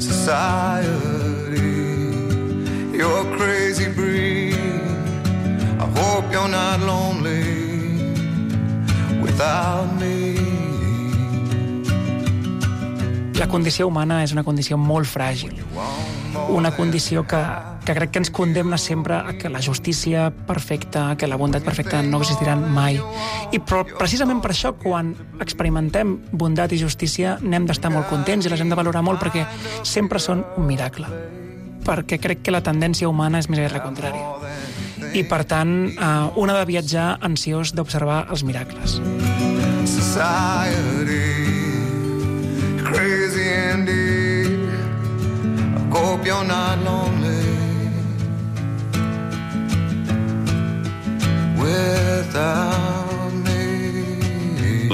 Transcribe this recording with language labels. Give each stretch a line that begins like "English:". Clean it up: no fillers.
English: Society, you're a crazy breed. I hope you're not lonely without me.
Catalan: La condició humana és una condició molt fràgil. Una condició que crec que ens condemna sempre a que la justícia perfecta, que la bondat perfecta no existiran mai. I precisament per això, quan experimentem bondat i justícia, n'hem d'estar molt contents i les hem de valorar molt, perquè sempre són un miracle. Perquè crec que la tendència humana és més aviat la contrària. I, per tant, un ha de viatjar ansiós d'observar els miracles.
English: Society, crazy indeed. I hope you're not lonely without me.